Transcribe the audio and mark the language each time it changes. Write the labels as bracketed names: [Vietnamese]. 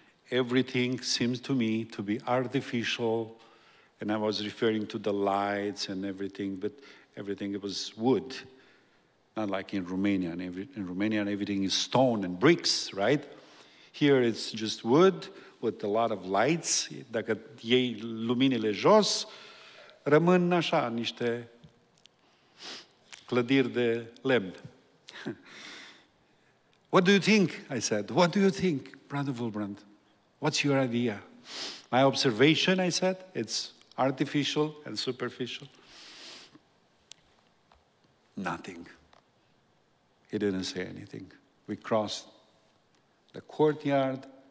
[English] Everything seems to me to be artificial, and I was referring to the lights and everything, but everything, it was wood, not like in Romania. In Romania, everything is stone and bricks, right? Here, it's just wood with a lot of lights. [Romanian] Dacă iei luminile jos, rămân așa, niște clădiri de lemn. [English] What do you think? I said, what do you think, Brother Wulbrand? What's your idea? My observation, I said, it's artificial and superficial. Nothing. He didn't say anything. We crossed the courtyard.